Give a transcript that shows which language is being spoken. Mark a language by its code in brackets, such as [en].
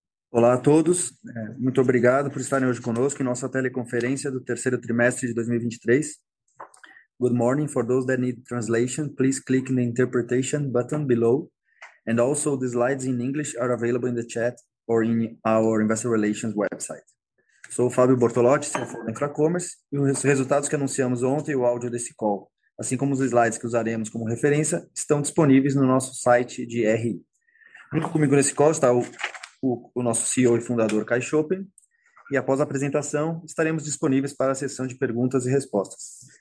[pt] Olá a todos, muito obrigado por estarem hoje conosco em nossa teleconferência do terceiro trimestre de 2023. [en] Good morning for those that need translation, please click the interpretation button below. And also the slides in English are available in the chat or in our investor relations website. [pt] Sou o Fábio Bortolotti, CFO da InfraCommerce, e os resultados que anunciamos ontem e o áudio desse call, assim como os slides que usaremos como referência, estão disponíveis no nosso site de RI. Junto comigo nesse call está o nosso CEO e fundador, Kai Schoppen. E após a apresentação, estaremos disponíveis para a sessão de perguntas e respostas.